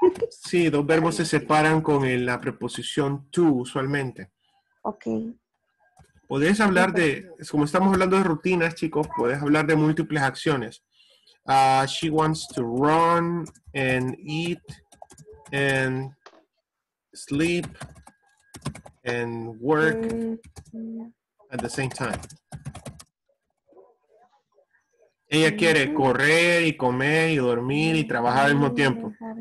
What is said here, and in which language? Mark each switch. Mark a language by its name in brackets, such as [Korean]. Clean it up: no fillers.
[Spanish] Sí, dos verbos se separan con la preposición to usualmente. [English] Okay. [Spanish] Podés hablar de, como estamos hablando de rutinas, chicos, podés hablar de múltiples acciones. [English] She wants to run and eat and sleep and work at the same time. [Spanish] Ella quiere correr y comer y dormir y trabajar al mismo tiempo.